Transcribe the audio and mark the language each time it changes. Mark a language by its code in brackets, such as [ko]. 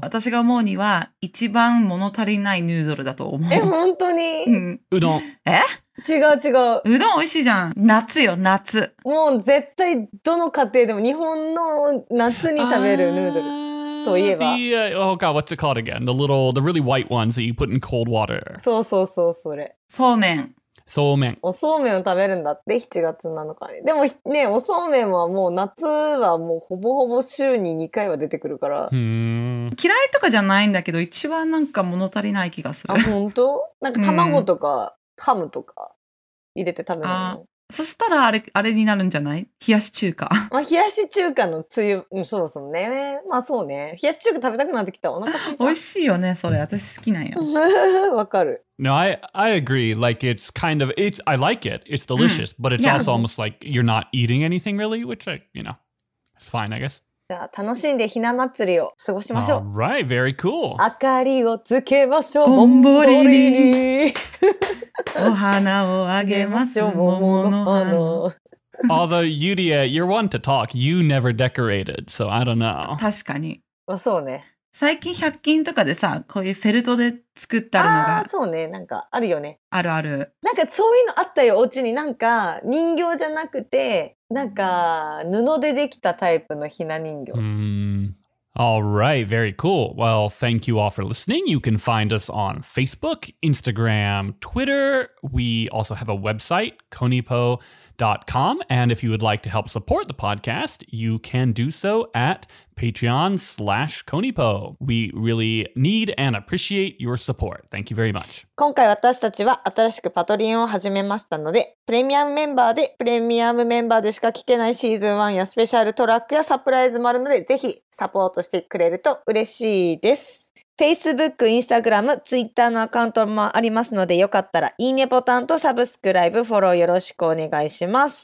[ja] 私が思うには、一番物足りないヌードルだと思う。え、本当に？うどん。え？違う。うどん美味しいじゃん。夏よ、夏。もう絶対どの家庭でも日本の夏に食べるヌードルといえば。 [en] Oh god, what's it called again? The really white ones that you put in cold water. [ja] そうそうそう、それ。そうめん。そうめん。おそうめんを食べるんだって、7月7日に。でもね、おそうめんはもう夏はもうほぼほぼ週に2回は出てくるから。嫌いとかじゃないんだけど、一番なんか物足りない気がする。あ、ほんと？なんか卵とか。ハムとか入れて食べるの。そしたらあれになるんじゃない？冷やし中華。まあ、冷やし中華のつゆ、そうそうね。まあそうね。冷やし中華食べたくなってきた。お腹すいた。美味しいよね、それ。私好きなんよ。わかる。 [en] No, I agree. Like, it's kind of, it's, I like it. It's delicious. But it's also almost like you're not eating anything really, which, I, you know, it's fine, I guess. [ja] じゃあ楽しんでひな祭りを過ごしましょう。 [en] Alright, very cool. [ja] 明かりをつけましょう。ぼんぼりに。お花をあげましょう。桃の花。 [en] Although, Yuria, you're one to talk. You never decorated, so I don't know. [ja] 確かに。まあそうね。最近百均とかでさ、こういうフェルトで作ったのが。ああ、そうね。なんかあるよね。あるある。なんかそういうのあったよ、お家に。なんか人形じゃなくて、なんか布でできたタイプのひな人形。 [en] All right, very cool. Well, thank you all for listening. You can find us on Facebook, Instagram, Twitter. We also have a website, konipo.com. And if you would like to help support the podcast, you can do so at patreon.com/konipo. We really need and appreciate your support. Thank you very much. [ja] 今回私たちは新しくパトリオンを始めましたので、プレミアムメンバーでプレミアムメンバーでしか聞けないシーズン1やスペシャルトラックやサプライズもあるので、ぜひサポートしてくれると嬉しいです。 Facebook、Instagram、Twitter のアカウントもありますので、よかったら、いいねボタンとサブスクライブ、フォローよろしくお願いします。